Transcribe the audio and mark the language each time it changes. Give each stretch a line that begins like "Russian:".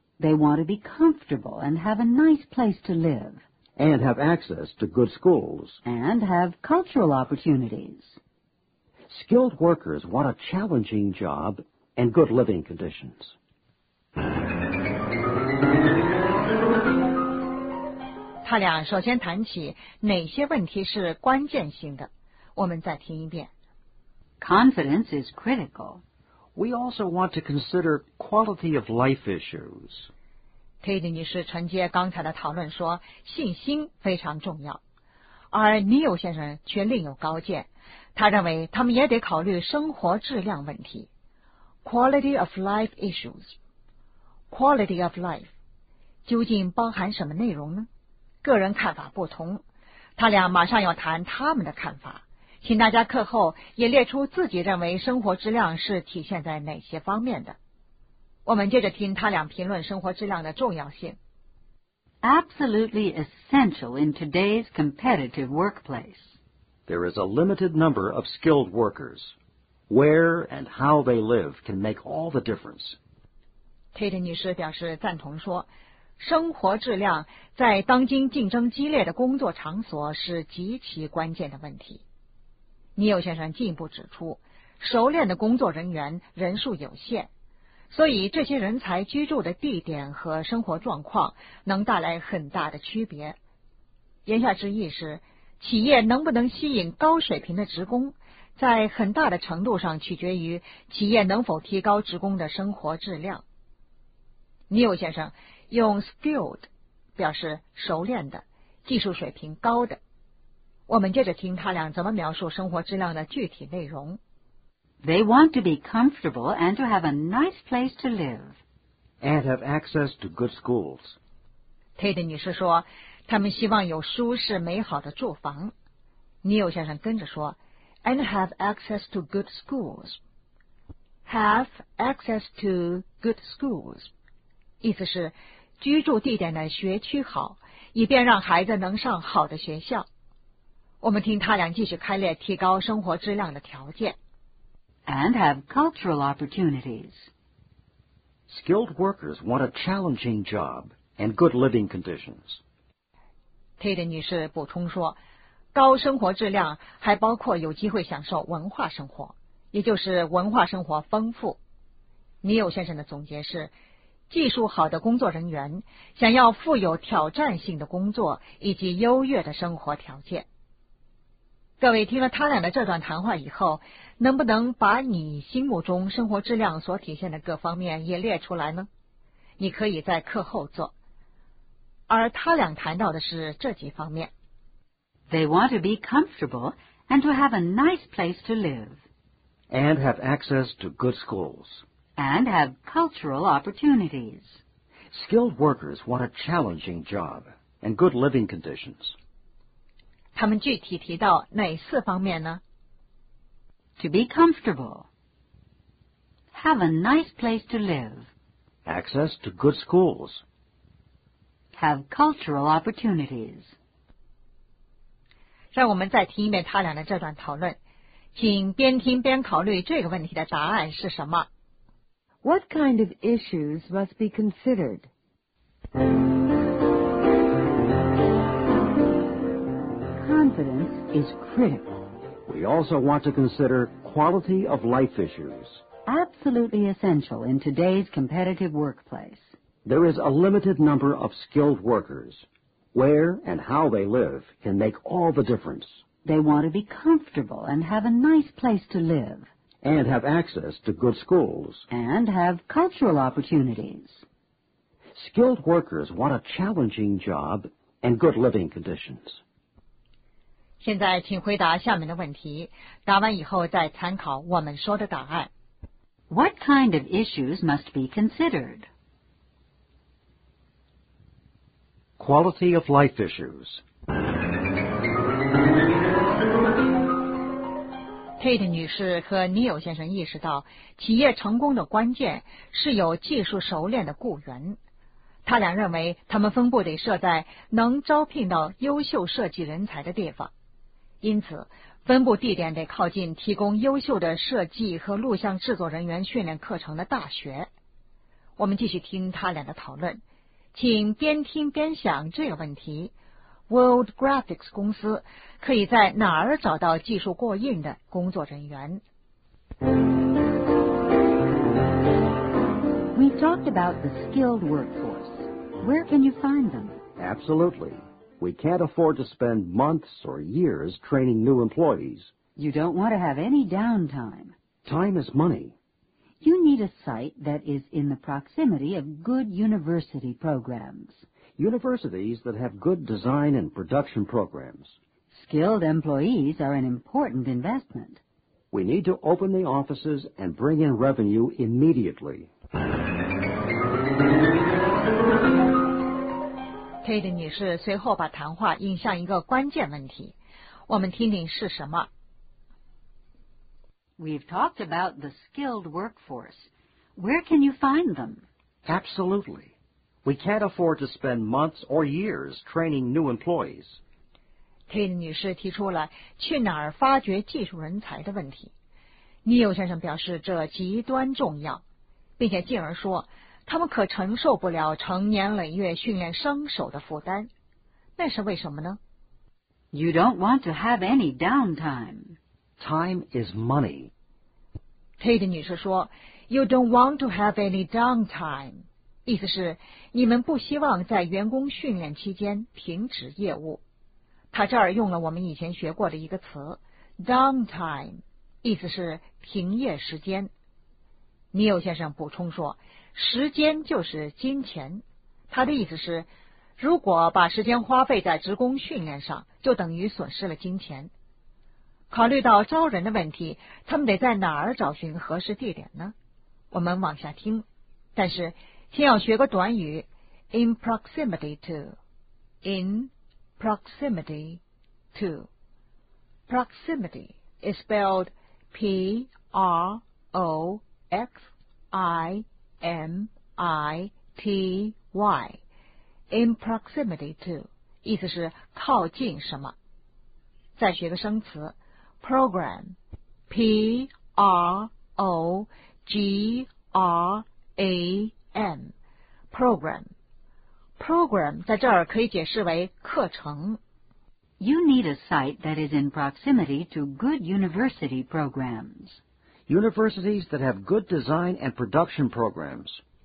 English: They want to be comfortable and have a nice place to live. And have access to good schools. And have cultural opportunities. Skilled workers want a challenging job and good living conditions.
Chinese: 他俩首先谈起哪些问题是关键性的。我们再听一遍。
English: Confidence is critical. We also want to consider quality of life issues.
Chinese: Kate 女士承接刚才的讨论说，信心非常重要。而 Neil 先生却另有高见，他认为他们也得考虑生活质量问题。
English: Quality of life issues. Quality of life.
Chinese: 究竟包含什么内容呢？个人看法不同，他俩马上要谈他们的看法。请大家课后也列出自己认为生活质量是体现在哪些方面的。我们接着听他俩评论生活质量的重要性。
English: Absolutely essential in today's competitive workplace. There is a limited number of skilled workers. Where and how they live can make all the difference.
Chinese: Tate 女士表示赞同说，生活质量在当今竞争激烈的工作场所是极其关键的问题。尼尔先生进一步指出，熟练的工作人员人数有限，所以这些人才居住的地点和生活状况能带来很大的区别。言下之意是，企业能不能吸引高水平的职工，在很大的程度上取决于企业能否提高职工的生活质量。尼尔先生用 skilled 表示熟练的，技术水平高的。我们接着听他俩怎么描述生活质量的具体内容。
English: They want to be comfortable and to have a nice place to live. And have access to good schools.
Chinese: Tate 女士说，他们希望有舒适美好的住房。
English: Neil
Chinese: 先生跟着说
English: ,and have access to good schools. Have access to good schools.
Chinese: 意思是居住地点的学区好，以便让孩子能上好的学校。我们听他俩继续开列提高生活质量的条件。
English: And have cultural opportunities. Skilled workers want a challenging job and good living conditions.
Chinese: Tate 女士补充说，高生活质量还包括有机会享受文化生活，也就是文化生活丰富。尼尔先生的总结是，技术好的工作人员想要富有挑战性的工作以及优越的生活条件。各位听了他俩的这段谈话以后，能不能把你心目中生活质量所体现的各方面也列出来呢？你可以在课后做。而他俩谈到的是这几方面。
English: They want to be comfortable and to have a nice place to live. And have access to good schools. And have cultural opportunities. Skilled workers want a challenging job and good living conditions.
Chinese: 他们具体提到哪四方面呢？
English: To be comfortable. Have a nice place to live. Access to good schools. Have cultural opportunities.
Chinese: 让我们再听一遍他俩的这段讨论，请边听边考虑这个问题的答案是什么。
English: What kind of issues must be considered? Confidence is critical. We also want to consider quality of life issues. Absolutely essential in today's competitive workplace. There is a limited number of skilled workers. Where and how they live can make all the difference. They want to be comfortable and have a nice place to live. And have access to good schools. And have cultural opportunities. Skilled workers want a challenging job and good living conditions.
Chinese: 现在请回答下面的问题，答完以后再参考我们说的答案。
English: What kind of issues must be considered? Quality of life issues.
Chinese: Tate 女士和 Neil 先生意识到，企业成功的关键是有技术熟练的雇员。他俩认为，他们分部得设在能招聘到优秀设计人才的地方。因此，分部地点得靠近提供优秀的设计和录像制作人员训练课程的大学。我们继续听他俩的讨论，请边听边想这个问题：World Graphics 公司可以在哪儿找到技术过硬的工作人员
English: ？We talked about the skilled workforce. Where can you find them? Absolutely. We can't afford to spend months or years training new employees. You don't want to have any downtime. Time is money. You need a site that is in the proximity of good university programs. Universities that have good design and production programs. Skilled employees are an important investment. We need to open the offices and bring in revenue immediately.
Chinese: Kate 女士随后把谈话引向一个关键问题，我们听听是什么。
English: We've talked about the skilled workforce. Where can you find them? Absolutely. We can't afford to spend months or years training new employees.
Chinese: Kate 女士提出了去哪儿发掘技术人才的问题。 Neil 先生表示这极端重要，并且进而说他们可承受不了成年累月训练生手的负担。那是为什么呢？
English: You don't want to have any downtime. Time is money. Kate
Chinese: 女士说
English: You don't want to have any downtime.
Chinese: 意思是你们不希望在员工训练期间停止业务。她这儿用了我们以前学过的一个词 downtime, 意思是停业时间。 Neil 先生补充说时间就是金钱。他的意思是如果把时间花费在职工训练上就等于损失了金钱。考虑到招人的问题，他们得在哪儿找寻合适地点呢？我们往下听，但是先要学个短语 ，
English: in proximity to，
Chinese: in proximity to，
English: proximity is spelled p r o x i m i t y，
Chinese: in proximity to， 意思是靠近什么。再学个生词。Program, P-R-O-G-R-A-M, program. Program 在这儿可以解释为课程。
English: You need a site that is in proximity to good university programs. Universities that have good design and production programs.